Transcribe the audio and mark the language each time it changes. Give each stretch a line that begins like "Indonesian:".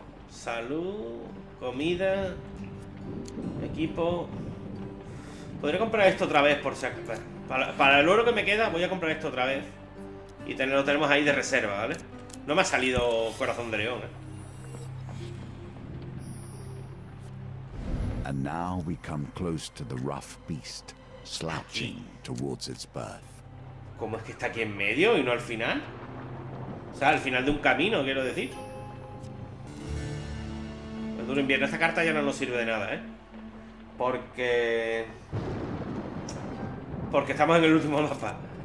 Spanish: Salud, comida, equipo. Podría comprar esto otra vez, por si acaso. Para el oro que me queda, voy a comprar esto otra vez. Y lo tenemos ahí de reserva, ¿vale? No me ha salido corazón de león, ¿eh?
English: And now we come close to the rough beast, slouching towards its birth.
Spanish: ¿Cómo es que está aquí en medio y no al final? O sea, al final de un camino, quiero decir. El duro invierno. Esta carta ya no nos sirve de nada, ¿eh? Porque estamos en el último mapa.